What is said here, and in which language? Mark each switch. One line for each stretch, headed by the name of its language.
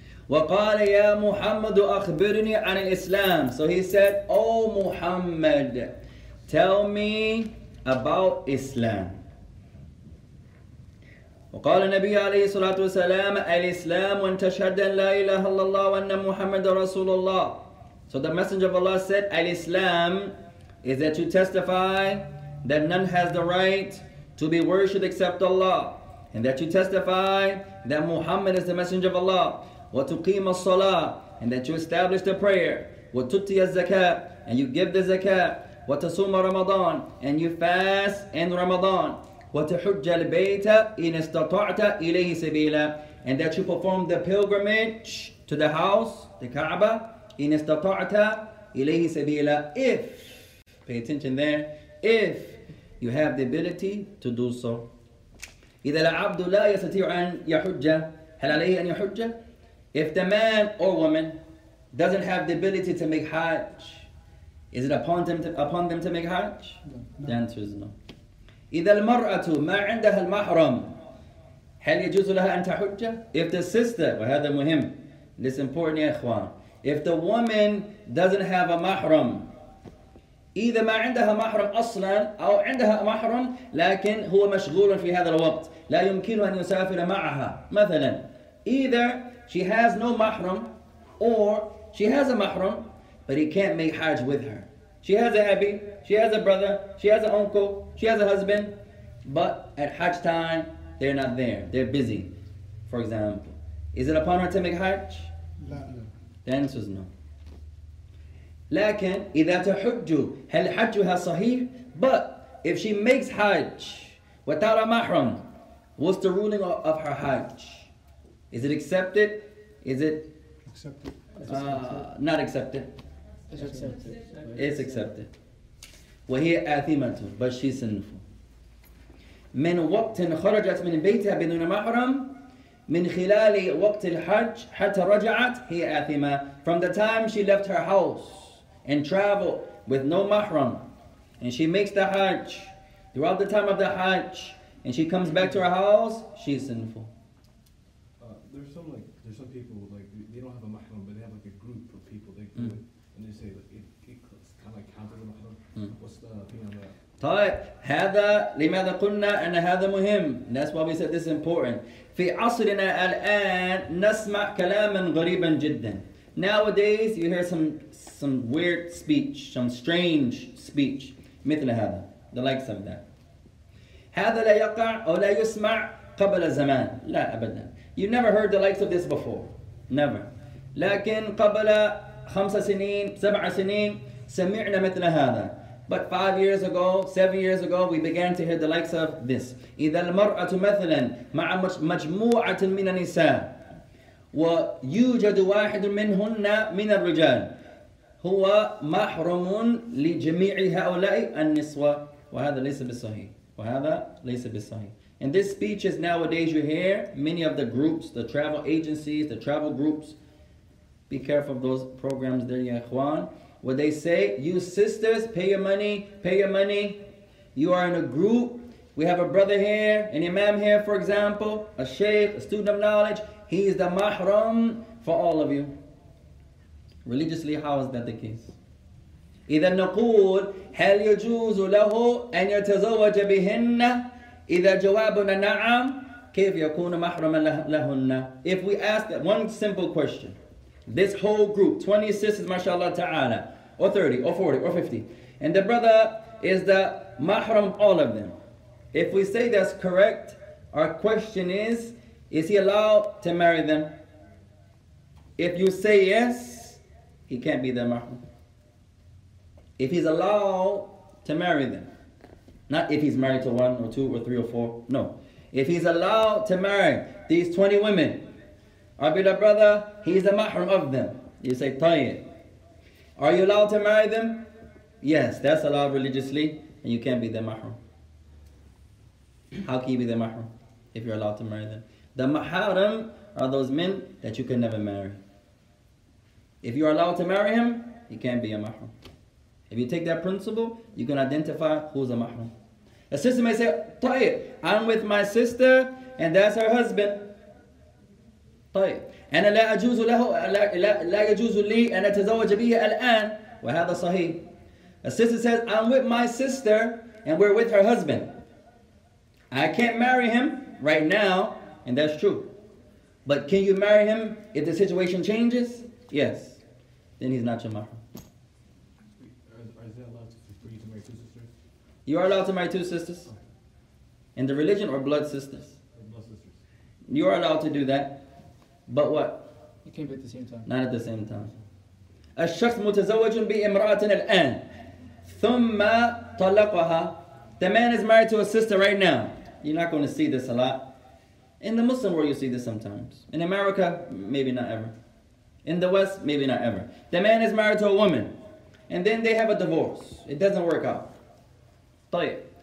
Arabic: وقال يا محمد أخبرني عن الإسلام.
English: So he said, oh Muhammad, tell me about Islam.
Arabic: وقال النبي عليه الصلاة والسلام الإسلام وأن تشهد أن لا إله إلا الله وأن محمد رسول الله.
English: So the Messenger of Allah said, Al-Islam is that you testify that none has the right to be worshipped except Allah, and that you testify that Muhammad is the Messenger of Allah,
Arabic: وتقيم الصلاة,
English: and that you establish the prayer,
Arabic: وتؤتي الزكاة,
English: and you give the زكاة,
Arabic: وتصوم رمضان,
English: and you fast in Ramadan,
Arabic: وتحج البيت إن استطعت إليه سبيلا,
English: and that you perform the pilgrimage to the house, the Kaaba,
Arabic: إن استطعت إليه سبيلا,
English: if, pay attention there, if you have the ability to do so.
Arabic: إذا العبد لا يستطيع أن يحج, هل عليه أن يحج؟
English: If the man or woman doesn't have the ability to make Hajj, is it upon them to make Hajj? No. The answer is no.
Arabic: إذا المرأة ما عندها المحرم هل يجوز لها أن تحج؟
English: If the sister,
Arabic: وهذا مهم,
English: this is important
Arabic: يا إخوان,
English: if the woman doesn't have a mahram, either
Arabic: ما عندها محرم أصلا أو عندها محرم لكن هو مشغول في هذا الوقت لا يمكنه أن يسافر معها مثلا,
English: either she has no mahram or she has a mahram but he can't make Hajj with her. She has a abi, she has a brother, she has an uncle, she has a husband, but at Hajj time, they're not there. They're busy, for example. Is it upon her to make Hajj? No. The answer is no.
Arabic: لكن إذا تحجوا هل حجها صحيح?
English: But if she makes Hajj without a mahram, What's the ruling of her Hajj? Is it accepted? Is it accepted? Not accepted. It's accepted. It's accepted.
Arabic: وهي آثمته,
English: but she's sinful.
Arabic: من وقت خرجت من بيتها بدون محرم من خلال وقت الحج حتى رجعت هي آثمة.
English: From the time she left her house and traveled with no mahram, and she makes the Hajj, throughout the time of the Hajj, and she comes back to her house, she's sinful. There's some people like they don't have a mahram, but they have like a group of people they go with, and they say like it kind of counts as a mahram. What's the opinion on that?
Arabic: طيب هذا لماذا قلنا أن هذا مهم.
English: And that's why we said this is important.
Arabic: في عصرنا الآن نسمع كلاما غريبا جدا.
English: Nowadays you hear some weird speech, some strange speech
Arabic: مثل هذا,
English: the likes of that.
Arabic: هذا لا يقع أو لا يسمع قبل زمان. لا أبدا.
English: You never heard the likes of this before. Never.
Arabic: لكن قبل خمس سنين سبع سنين سمعنا مثل هذا.
English: But 5 years ago, 7 years ago, we began to hear the likes of this.
Arabic: إذا المرأة مثلا مع مجموعة من النساء ويوجد واحد منهن من الرجال هو محرم لجميع هؤلاء النسوة. وهذا ليس بالصحيح. وهذا ليس بالصحيح.
English: And this speech is nowadays you hear many of the groups, the travel agencies, the travel groups. Be careful of those programs there,
Arabic: يا إخوان.
English: What they say, you sisters, pay your money, pay your money. You are in a group. We have a brother here, an imam here, for example, a sheikh, a student of knowledge. He is the mahram for all of you. Religiously, how is that the case?
Arabic: إذا نقول هل يجوز له أن يتزوج بهن إذا جوابنا نعم كيف يكون محرما لهن.
English: If we ask that one simple question, this whole group, 20 sisters, mashallah ta'ala, or 30, or 40, or 50, and the brother is the mahram, all of them. If we say that's correct, our question is he allowed to marry them? If you say yes, he can't be the mahram. If he's allowed to marry them, not if he's married to one, or two, or three, or four, no. If he's allowed to marry these 20 women, our beloved brother, he's the mahram of them. You say, tayyib. Are you allowed to marry them? Yes, that's allowed religiously, and you can't be the mahram. How can you be the mahram if you're allowed to marry them? The maharam are those men that you can never marry. If you're allowed to marry him, you can't be a mahram. If you take that principle, you can identify who's a mahram. A sister may say, tayyib, I'm with my sister, and that's her husband.
Arabic: طيب انا لا اجوز له لا يجوز لي ان اتزوج بها الان وهذا صحيح.
English: A sister says I'm with my sister and we're with her husband. I can't marry him right now and that's true. But can you marry him if the situation changes? Yes. Then he's not your mahram. Is that allowed for you to marry two sisters? You are allowed to marry two sisters. In the religion or blood sisters? Blood sisters. You are allowed to do that. But what? It can't be at the same time. Not at the same time.
Arabic: الشخص متزوج بامرأة الآن ثم طلقها.
English: The man is married to a sister right now. You're not going to see this a lot. In the Muslim world, you see this sometimes. In America, maybe not ever. In the West, maybe not ever. The man is married to a woman. And then they have a divorce. It doesn't work out. طيب.